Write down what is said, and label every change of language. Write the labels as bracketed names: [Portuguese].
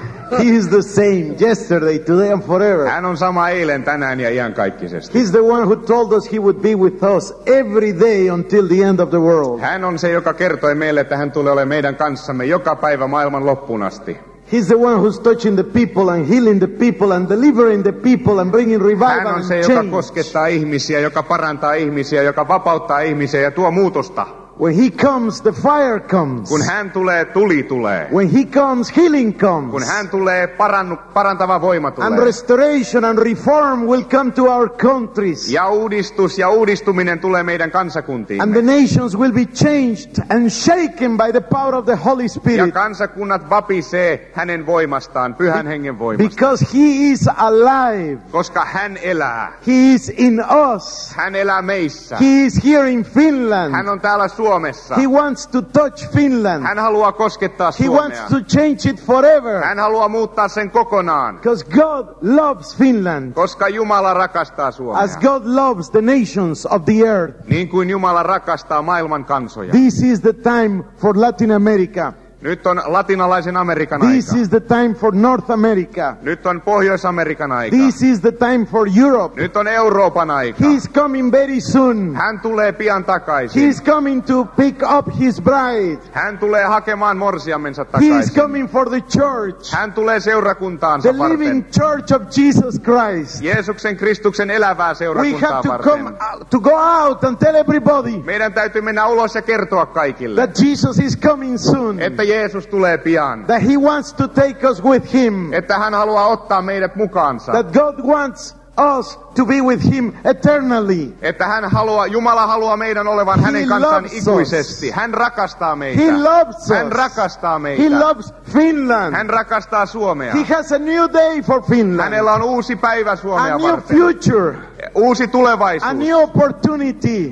[English] He is the same yesterday, today and forever. [Finnish] Hän on sama eilen, tänään ja iankaikkisesti. [English] He's the one who told us he would be with us every day until the end of the world. [Finnish] Hän on se, joka kertoi meille, että hän tulee olemaan meidän kanssamme joka päivä maailman loppuun asti. [English] He's the one who's touching the people and healing the people and delivering the people and bringing revival and change. [Finnish] Hän on se, joka koskettaa ihmisiä, joka parantaa ihmisiä, joka vapauttaa ihmisiä ja tuo muutosta. [English] When he comes, the fire comes. [Finnish] Kun hän tulee, tuli tulee. [English] When he comes, healing comes. [Finnish] Kun hän tulee, parantava voima tulee. [English] And restoration and reform will come to our countries. [Finnish] Ja uudistus ja uudistuminen tulee meidän kansakuntiimme. [English] And the nations will be changed and shaken by the power of the Holy Spirit. [Finnish] Ja kansakunnat vapisee hänen voimastaan, pyhän hengen voimasta. [English] Because he is alive. [Finnish] Koska hän elää. [English] He is in us. [Finnish] Hän elää meissä. [English] He is here in Finland. [Finnish] Hän on täällä Suomessa. [English] He wants to touch Finland. [Finnish] Hän haluaa koskettaa Suomea. [English] He wants to change it forever. [Finnish] Hän haluaa muuttaa sen kokonaan. [English] Because God loves Finland. [Finnish] Koska Jumala rakastaa Suomea. [English] As God loves the nations of the earth. [Finnish] Niin kuin Jumala rakastaa maailman kansoja. [English] This is the time for Latin America. [Finnish] Nyt on latinalaisen Amerikan [English] this [Finnish] aika. [English] This is the time for North America. [Finnish] Nyt on Pohjois-Amerikan aika. [English] This is the time for Europe. [Finnish] Nyt on Euroopan aika. [English] He's coming very soon. [Finnish] Hän tulee pian takaisin. [English] He's coming to pick up his bride. [Finnish] Hän tulee hakemaan morsiamensa takaisin. [English] He's coming for the church. [Finnish] Hän tulee seurakuntaansa [English] the [Finnish] varten. [English] The living church of Jesus Christ. [Finnish] Jeesuksen Kristuksen elävää seurakuntaa varten. [English] We have to Come to go out and tell everybody. [Finnish] Meidän täytyy mennä ulos ja kertoa kaikille. [English] That Jesus is coming soon. [Finnish] Jeesus tulee pian. [English] That he wants to take us with him. [Finnish] Että hän haluaa ottaa meidät mukaansa. [English] That God wants us to be with him eternally. [Finnish] Että hän haluaa, Jumala haluaa meidän olevan [English] he [Finnish] hänen kanssaan ikuisesti. Hän rakastaa meitä. [English] He loves [Finnish] hän rakastaa meitä. [English] He loves Finland. [Finnish] Hän rakastaa Suomea. [English] He has a new day for Finland. [Finnish] Hänellä on uusi päivä Suomea varten. [English] A new future. [Finnish] Uusi tulevaisuus. [English] A new opportunity.